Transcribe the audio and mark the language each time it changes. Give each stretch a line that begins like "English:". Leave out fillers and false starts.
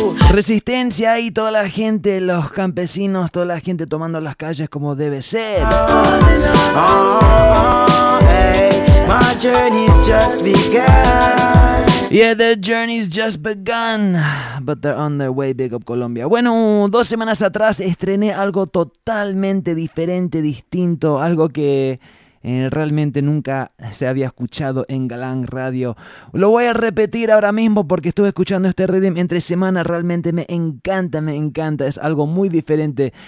Spanish: Resistencia y toda la gente, los campesinos, toda la gente tomando las calles como debe ser.
English: Yeah, their journey's just begun, but they're on their way, big up Colombia.
Spanish: Bueno, 2 semanas atrás estrené algo totalmente diferente, distinto, algo que realmente nunca se había escuchado en Galang Radio. Lo voy a repetir ahora mismo porque estuve escuchando este rhythm entre semana. Realmente me encanta, es algo muy diferente.